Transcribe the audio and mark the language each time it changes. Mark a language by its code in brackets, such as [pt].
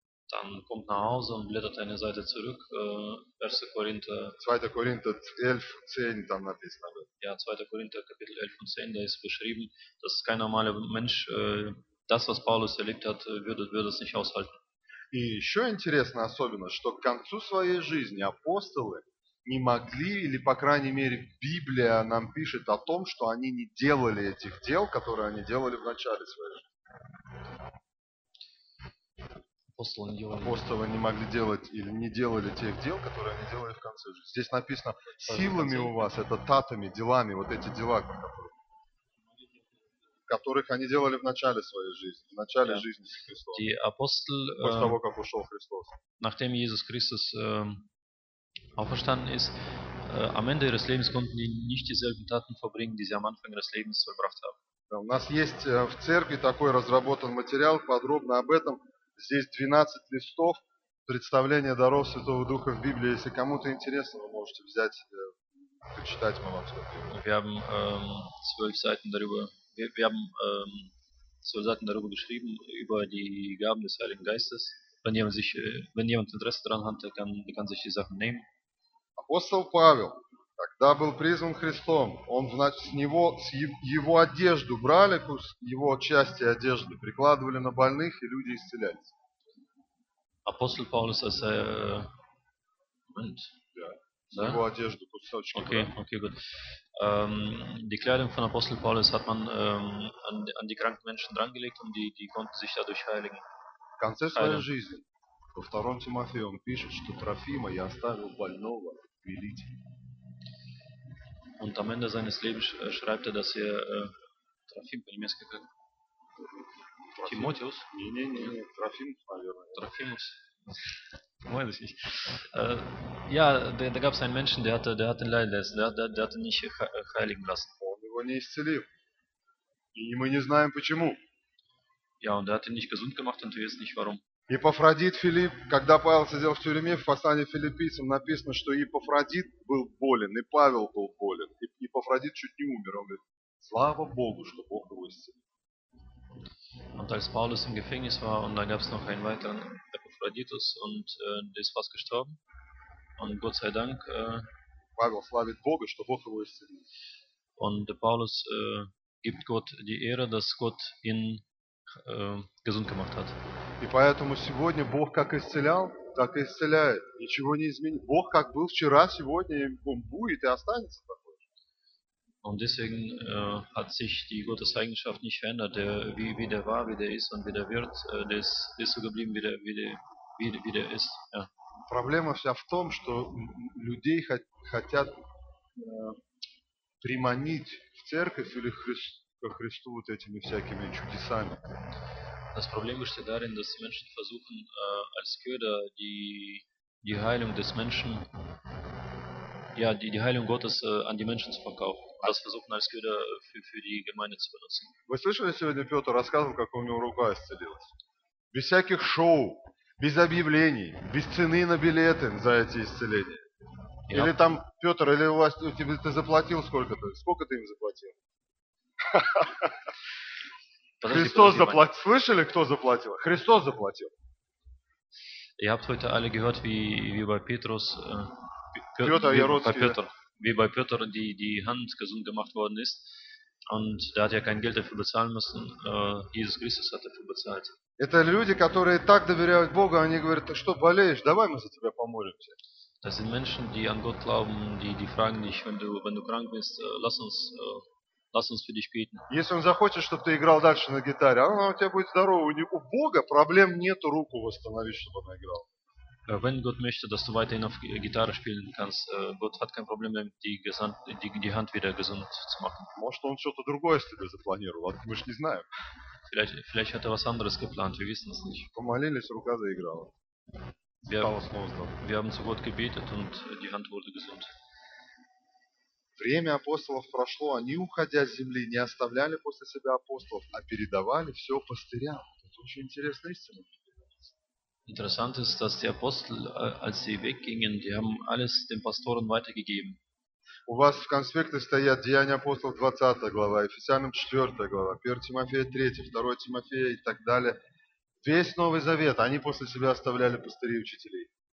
[de] Dann kommt nach Hause und blättert eine Seite zurück. 2. Korinther 11, 10, dann [ru] написано. [de] Ja, 2. Korinther Kapitel 11 und 10, da ist beschrieben, dass kein normaler Mensch das, was Paulus erlebt hat, würde es nicht aushalten. [ru] И еще интересно особенно, что к концу своей жизни апостолы не могли, или по крайней мере Библия нам пишет о том, что они не делали этих дел, которые они делали в начале своей жизни. Апостолы не могли делать или не делали тех дел, которые они делали в конце жизни. Здесь написано, силами у вас, это татами, делами, вот эти дела, которых они делали в начале своей жизни, в начале жизни с Христом. [de] Die Apostel, [ru] после того, как ушел Христос. [de] Nachdem Jesus Christus auferstanden ist, am Ende ihres Lebens konnten die nicht dieselben Taten verbringen, die sie am Anfang ihres Lebens vollbracht haben. [ru] Да, у нас есть в церкви такой разработан материал подробно об этом. Здесь 12 листов представления даров Святого Духа в Библии. Если кому-то интересно, вы можете взять, прочитать, мы вам скажем. [de] Wir haben 12 Seiten darüber. Wir haben 12 Seiten darüber geschrieben über die Gaben des Heiligen Geistes. Wenn jemand Interesse daran hat, der kann sich die Sachen nehmen. [ru] Апостол Павел, когда был призван Христом, он значит с его одежду брали кусок, его части одежды прикладывали на больных и люди исцелялись. Апостол Павлус, а сэ, момент, да, его одежду кусочки. [en] Окей, good. [de] Die Kleidung von Apostel Paulus hat man an die kranken Menschen drangelegt und die konnten sich dadurch heiligen. [ru] В конце своей жизни во втором Тимофею он пишет, что Трофима я оставил больного в Илите. [de] Und am Ende seines Lebens schreibt er, dass er Трофим, [ru] по-немецки как? Трофим. Тимотеус? Не-не-не, Трофим, наверное. [de] Трофимус. Weiß ich nicht. Ja, da gab es einen Menschen, der hatte Leiden, der hatte nicht heiligen lassen. [ru] Он его не исцелил. И мы не знаем почему. [de] Ja, und er hat ihn nicht gesund gemacht und wir wissen nicht warum. [ru] Епафродит Филипп, когда Павел сидел в тюрьме, в послании филиппийцам написано, что Епафродит был болен, и Павел был болен. И Епафродит чуть не умер. Он говорит, слава Богу, что Бог его исцелил. [de] Und als Paulus im Gefängnis war, und da gab es noch einen weiteren Epaphroditus, und der ist fast gestorben. Und Gott sei Dank, [ru] Павел славит Бога, что Бог его исцелил. [de] Und Paulus gibt Gott die Ehre, dass Gott ihn gesund gemacht hat. [ru] И поэтому сегодня Бог как исцелял, так и исцеляет. Ничего не изменилось. Бог как был вчера, сегодня он будет и останется такой. [de] Und deswegen hat sich die Gotteseigenschaft nicht verändert, wie der war, wie der ist und wie der wird, ist so geblieben, wie der ist. Ja. [ru] Проблема вся в том, что людей хотят приманить в церковь или ко Христу вот этими всякими чудесами. [de] Das Problem besteht darin, dass die Menschen versuchen, als Köder die Heilung des Menschen, ja, die Heilung Gottes an die Menschen zu verkaufen. Das versuchen als Köder für die Gemeinde zu benutzen. [ru] Вы слышали сегодня Петр рассказывал, как у него рука исцелилась? Без всяких шоу, без объявлений, без цены на билеты за эти исцеления. [en] Yep. [ru] Или там, Петр, или у вас, ты заплатил сколько-то? Сколько ты им заплатил? Христос заплатил. Слышали, кто заплатил? Христос заплатил. [de] Ihr habt heute alle gehört, wie bei Petrus, wie bei Peter die Hand gesund gemacht worden ist. Und da hat er kein Geld dafür bezahlen müssen. Jesus Christus hat dafür bezahlt. [ru] Это люди, которые так доверяют Богу, они говорят, что болеешь, давай мы за тебя помолимся. [de] Das sind Menschen, die an Gott glauben, die fragen dich, wenn du krank bist, lass uns für dich beten. [ru] Если он захочет, чтобы ты играл дальше на гитаре, он у тебя будет здоровый. У Бога проблем нет руку восстановить, чтобы он играл. [de] Wenn Gott möchte, dass du weiterhin auf Gitarre spielen kannst, Gott hat kein Problem damit, die Hand wieder gesund zu machen. [ru] Может, он что-то другое себе запланировал, мы же не знаем. [de] Vielleicht hat er was anderes geplant, wir wissen es nicht. [ru] Помолились, рука заиграла. [de] Wir haben zu Gott gebetet und die Hand wurde gesund. [ru] Время апостолов прошло, они, уходя с земли, не оставляли после себя апостолов, а передавали все пастырям. Это очень интересная истина. [de] Interessant ist, dass die Apostel, als sie weggingen, die haben alles den Pastoren weitergegeben. [ru] У вас в конспекте стоят Деяния апостолов 20 глава, Ефесянам 4 глава, 1 Тимофея 3, 2 Тимофея и так далее. Весь Новый Завет они после себя оставляли пастырей и учителей.